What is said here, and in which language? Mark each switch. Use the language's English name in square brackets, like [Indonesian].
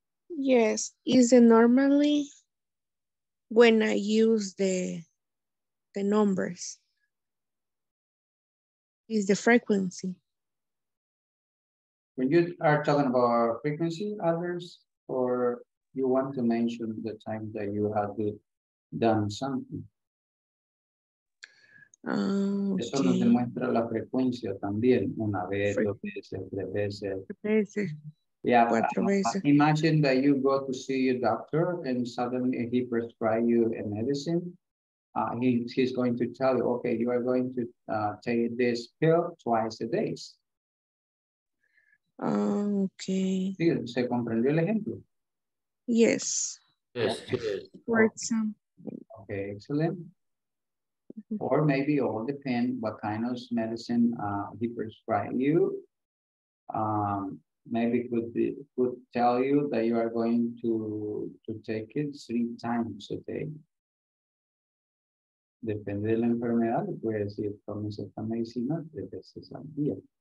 [English] Yes, is it normally when I use the numbers? Is the frequency? When you are talking about frequency, others, or you want to mention the time that you have done something? Okay. [Spanish] Eso nos demuestra la frecuencia también, una vez, dos veces. [English] Yeah, imagine that you go to see a doctor and suddenly he prescribes you a medicine he's going to tell you, okay, you are going to take this pill twice a day. Okay. [Spanish] ¿Sí? ¿Se comprendió el ejemplo? [English] Yes. Yes. For example. Okay, excellent. Mm-hmm. Or maybe it all depends what kind of medicine he prescribed you. Maybe could tell you that you are going to take it 3 times a day. [Spanish] Depende de la enfermedad, le puede decir, tome esta medicina 3 veces al día.